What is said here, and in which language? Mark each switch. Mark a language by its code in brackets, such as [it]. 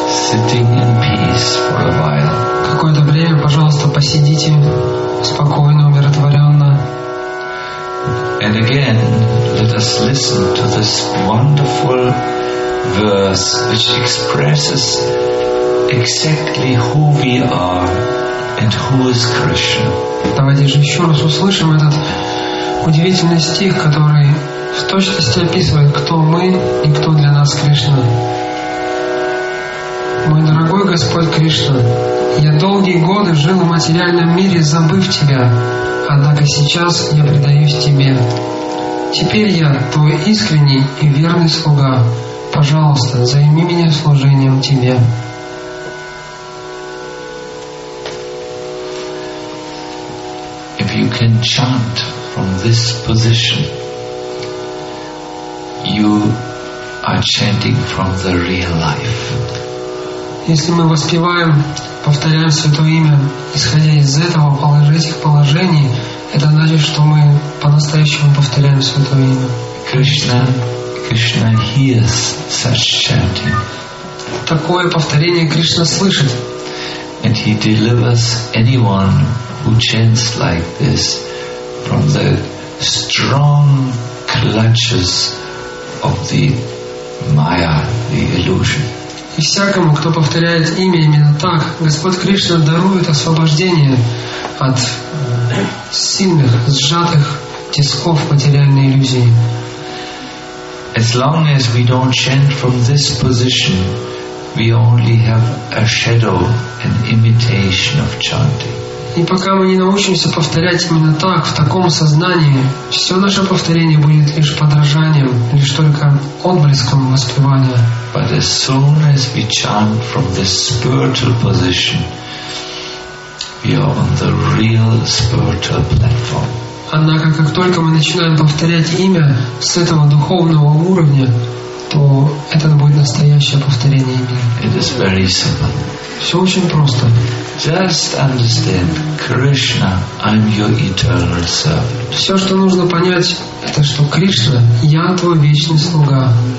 [en] sitting in peace for a while. [ru] Какое-то время, пожалуйста, посидите спокойно, умиротворенно. [en] And again, let us listen to this wonderful verse which expresses exactly who we are and who is Krishna. [ru] Давайте же еще раз услышим этот удивительный стих, который в точности описывает, кто мы и кто для нас Кришна. Мой дорогой Господь Кришна, я долгие годы жил в материальном мире, забыв Тебя, однако сейчас я предаюсь Тебе. Теперь я Твой искренний и верный слуга. Пожалуйста, займи меня служением Тебе. [en] If you can chant from this position, you are chanting from the real life. [ru] Если мы воспеваем, повторяем Святое Имя, исходя из этого, этих положений, это значит, что мы по-настоящему повторяем Святое Имя. [en] Кришна hears such chanting. [ru] Такое повторение Кришна слышит. [en] And He delivers anyone who chants like this from the strong clutches of the Maya, the illusion. [ru] И всякому, кто повторяет имя именно так, Господь Кришна дарует освобождение от сильных, сжатых тисков материальной иллюзии. [en] As long as we don't chant from this position, we only have a shadow, an imitation of chanting. [ru] И пока мы не научимся повторять именно так, в таком сознании, все наше повторение будет лишь подражанием, лишь только отблеском воспевания. [en] But as soon as we chant from this spiritual position, we are on the real spiritual platform. [ru] Однако, как только мы начинаем повторять имя с этого духовного уровня, то это будет настоящее повторение имени. [en] It is very simple. [ru] Все очень просто. [en] Just understand, Krishna, I'm your eternal servant. [ru] Все, что нужно понять, это что Кришна, я твой вечный слуга.